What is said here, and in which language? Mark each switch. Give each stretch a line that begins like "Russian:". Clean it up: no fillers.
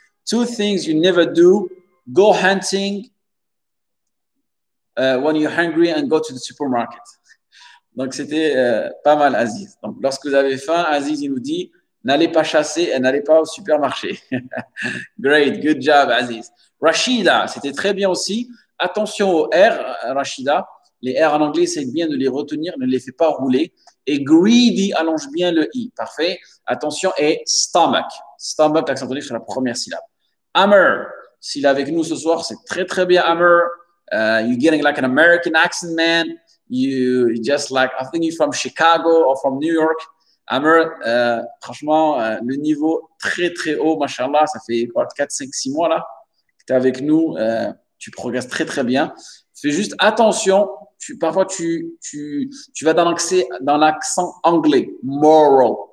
English: Two things you never do, go hunting when you're hungry and go to the supermarket.
French: Donc, c'était pas mal, Aziz. Donc, lorsque vous avez faim, Aziz, il nous dit, n'allez pas chasser et n'allez pas au supermarché.
English: Great, good job,
French: Aziz. Rachida, c'était très bien aussi. Attention aux R, Rachida. Les R en anglais, c'est bien de les retenir, ne les fais pas rouler. Et greedy, allonge bien le I. Parfait. Attention, et stomach. Stomach, accent tonique sur la première syllabe. Hammer, s'il est avec nous ce soir, c'est très, très bien, Hammer.
English: You're getting like an American accent, man. You just like, I think you're from Chicago or from New York.
French: Hammer, franchement, le niveau très très haut, mashallah, ça fait quoi, 4, 5, 6 mois là que tu es avec nous, tu progresses très très bien. Fais juste attention, parfois tu vas dans l'accent anglais, moral.